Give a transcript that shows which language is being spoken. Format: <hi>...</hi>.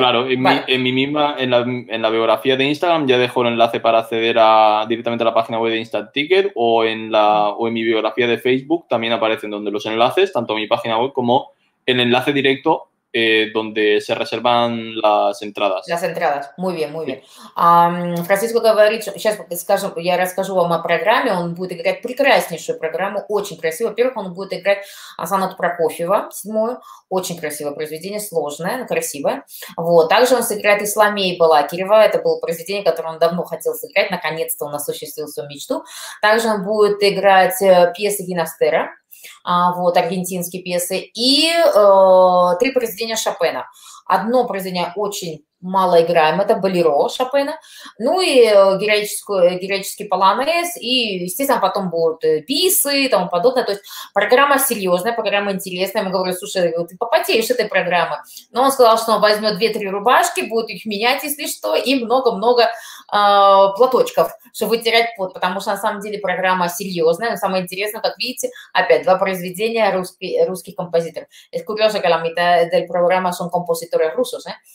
<es>Claro, en la biografía de Instagram ya dejo el enlace para acceder directamente a la página web de Instant Ticket o en mi biografía de Facebook también aparecen donde los enlaces, tanto mi página web como el enlace directo. Donde se reservan las entradas. Las entradas, muy bien.</es> <ru>Francisco говорит, сейчас скажу, я расскажу вам о программе, он будет играть прекраснейшую программу, очень красиво. Во-первых, он будет играть сонату Прокофьева, 7-ю, очень красивое произведение, сложное, но красивое. Вот. Также он сыграет Исламей Балакирева, это было произведение, которое он давно хотел сыграть, наконец-то он осуществил свою мечту. Также он будет играть пьесы Гинастера, вот, аргентинские пьесы, и три произведения Шопена. Одно произведение очень малоиграемое, это Болеро Шопена, ну и героический полонез, и, естественно, потом будут бисы и тому подобное. То есть программа серьезная, программа интересная. Мы говорим, слушай, ты попотеешь этой программы. Но он сказал, что он возьмет 2-3 рубашки, будет их менять, если что, и много-много платочков, чтобы вытирать пот, потому что на самом деле программа серьезная, но самое интересное, как видите, опять два произведения русских композиторов.</ru> <es>Es curioso que la mitad del programa son compositores rusos, ¿eh?</es>